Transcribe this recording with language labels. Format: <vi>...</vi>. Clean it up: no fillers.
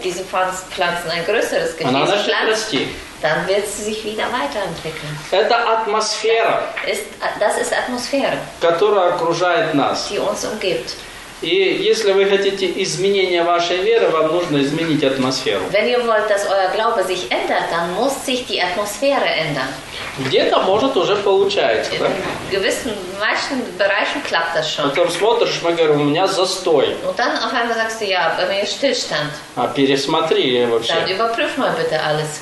<de>Diese Pflanzen ein größeres Gefäß pflanzen. Dann wird sie sich wieder weiterentwickeln.</de> <ru>Это атмосфера.</ru> <de>Das ist Atmosphäre.</de> <ru>Которая окружает нас.</ru> <de>Die uns umgibt.</de> <ru>И если вы хотите изменения вашей веры, вам нужно изменить атмосферу.</ru> <de>Wenn ihr wollt, dass euer Glaube sich ändert, dann muss sich die Atmosphäre ändern.</de> <ru>Где-то может уже получается,</ru> <de>in</de> <ru>да?</ru> <de>В gewissen, manchen Bereichen klappt das schon.</de> <ru>Потом смотришь, мы говорим, у меня застой.</ru> <de>Und dann auf einmal sagst du, ja, bei mir ist Stillstand.</de> <ru>А пересмотри вообще.</ru> <de>Dann überprüf mal bitte alles.</de>